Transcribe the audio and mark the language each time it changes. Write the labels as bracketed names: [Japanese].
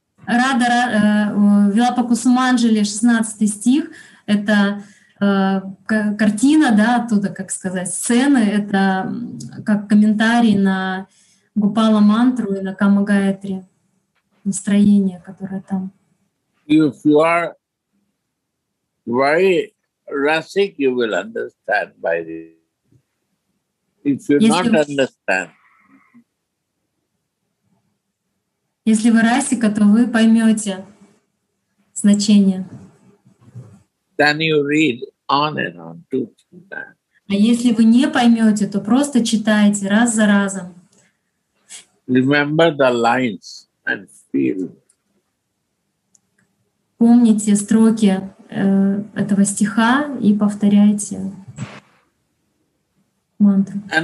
[Russian] Рада Вилапа Кусуманджали, 16 стих, это картина, да, оттуда, как сказать, сцены, это как комментарий на Гупала мантру и на Кама Гаятри, настроение, которое там. [English] If you are very rasic, you will understand by this. If you not understand. [Russian] Если вы расика, то вы поймете значение. [English] Then you read on and on, two, three. [Russian] А если вы не поймете, то просто читайте раз за разом. [English] Remember the lines and feel. [Russian] Помните строки этого стиха и повторяйте мантру.